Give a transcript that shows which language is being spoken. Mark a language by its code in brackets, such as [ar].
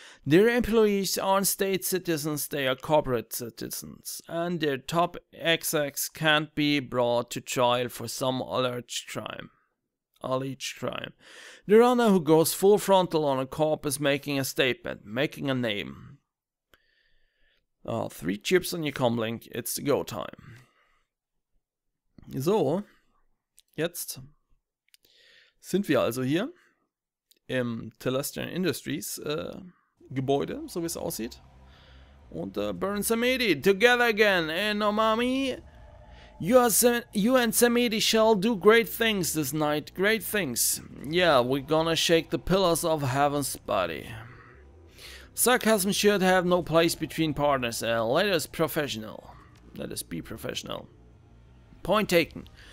[en] Their employees aren't state citizens, they are corporate citizens, and their top execs can't be brought to trial for some alleged crime. The runner who goes full frontal on a corp is making a statement, making a name. Three chips on your comlink, it's go time. [de] So, jetzt sind wir also hier im Telestrian Industries, Gebäude, so wie es aussieht. [en] Und Burn Samedi, together again, no mommy. You and Samedi shall do great things this night, great things. Yeah, we're gonna shake the pillars of heaven's body. Sarcasm should have no place between partners. Let us be professional. Point taken.